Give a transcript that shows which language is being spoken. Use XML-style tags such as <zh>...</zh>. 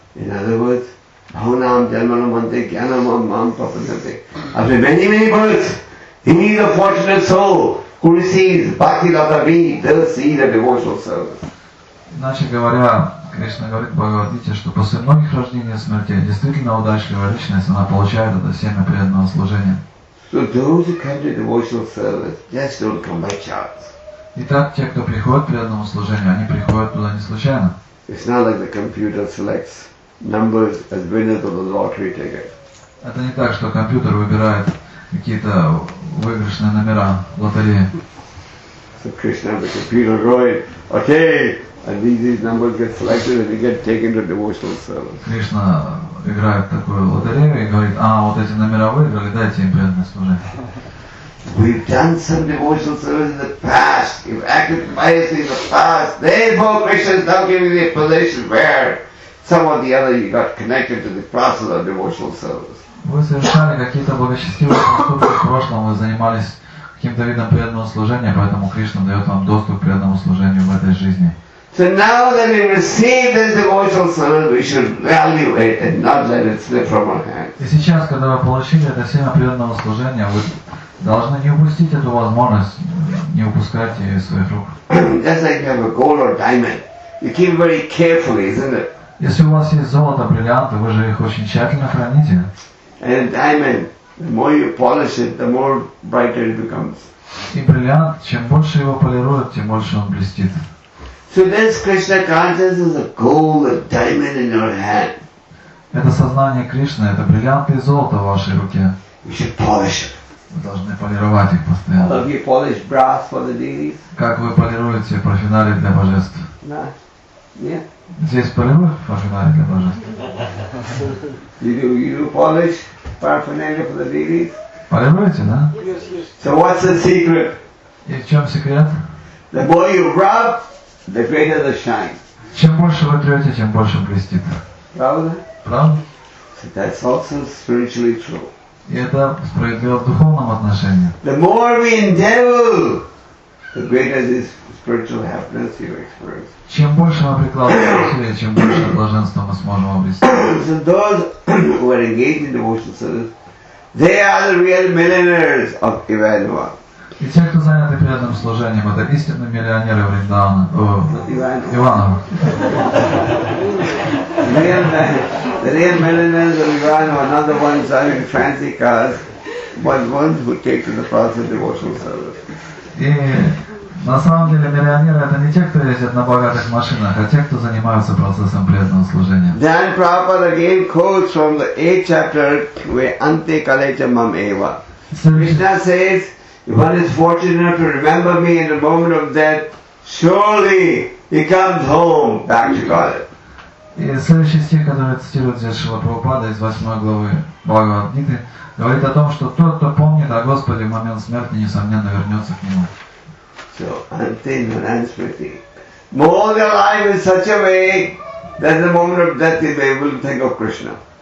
<en>In other words,</en> <sa>bhavanam janmanam ante gyanam mam papasante.</sa> <en>After many, many births, he needs a fortunate soul who receives bhakti ladavi, they'll see the devotional service.</en> <ru>Иначе говоря, Кришна говорит в Бхагавад-гите, что после многих рождений и смерти действительно удачливая личность, она получает это семя преданного служения.</ru> <en>So those who come to devotional service just don't come by chance.</en> <ru>Итак, те, кто приходит к преданному служению, они приходят туда не случайно.</ru> <en>It's not like the computer selects numbers as winners of the lottery ticket.</en> <ru>Это не так, что компьютер выбирает какие-то выигрышные номера в лотерее.</ru> <en>So Krishna, the computer going, okay, and these numbers get selected and they get taken to devotional service.</en> <ru>Krishna играет такую лотерею и говорит, а вот эти номера выиграли, дайте им преданное служение.</ru> <en>We've done some devotional service in the past. You've acted piously in the past. Therefore, Krishna's now giving me a position where some or the other you got connected to the process of devotional service.</en> <ru>Вы совершали какие-то благочестивые поступки в прошлом, вы занимались каким-то видом преданного служения, поэтому Кришна дает вам доступ к преданному служению в этой жизни.</ru> <en>So now that we receive this devotional service, we should value it and not let it slip from our hands.</en> <ru>И сейчас, когда вы получили это семя преданного служения, вы должны не упустить эту возможность, не упускать ее из своих рук.</ru> <en>Just like you have a gold or diamond, you keep very carefully, isn't it?</en> <ru>Если у вас есть золото, бриллианты, вы же их очень тщательно храните.</ru> <en>And diamond, the more you polish it, the more brighter it becomes.</en> <ru>И бриллиант, чем больше его полируют, тем больше он блестит.</ru> <en>So this Krishna consciousness is a gold, a diamond in your hand.</en> <ru>Это сознание Кришны, это бриллианты и золото в вашей руке.</ru> <en>You should polish it.</en> <ru>Вы должны полировать их постоянно.</ru> <en>How do you polish brass for the deities?</en> <ru>Как вы полируете парафинали для божеств? Да. Нет. Здесь полируют парафинали для божеств?</ru> <en>You do polish paraphernalia for the deities?</en> <ru>Полируете, да?</ru> <en>Yes, yes. So what's the secret?</en> <ru>И в чем секрет?</ru> <en>The more you rub, the greater the shine.</en> <ru>Чем больше вы трете, тем больше блестит. Правда? Правда?</ru> <en>So that's also spiritually true.</en> <ru>И это справедливо в духовном отношении.</ru> <en>The more we endeavor, the greater this spiritual happiness you experience.</en> <ru>Чем больше мы прикладываем усилия, чем больше блаженства мы сможем обрести.</ru> <en>So those who are engaged in devotional service, they are the real millionaires of Ivanova.</en> <ru>И те, кто заняты приятным служением, это истинные миллионеры Вриндавана. Иванова.</ru> <en>The real millionaires of Ivanova, not the ones driving fancy cars, but ones who take to the process of devotional service.</en> <ru>И на самом деле миллионеры это не те, кто ездят на богатых машинах, а те, кто занимаются процессом приятного служения.</ru> <en>Then Prabhupada again quotes from the 8th chapter where</en> <sa>Ante Kalecha Mam Eva.</sa> <en>Krishna says, if one is fortunate enough to remember me in a moment of death, surely he comes home back to God.</en> <ru>И следующий стих, который цитирует здесь Шрила Прабхупада из 8 главы Бхагавад-гиты, говорит о том, что тот, кто помнит о Господе в момент смерти, несомненно вернется к Нему.</ru> <sa>So, Ante Nanaswati.</sa> <en>Mold your life in such a way that in the moment of death you may be able to think of Krishna.</en>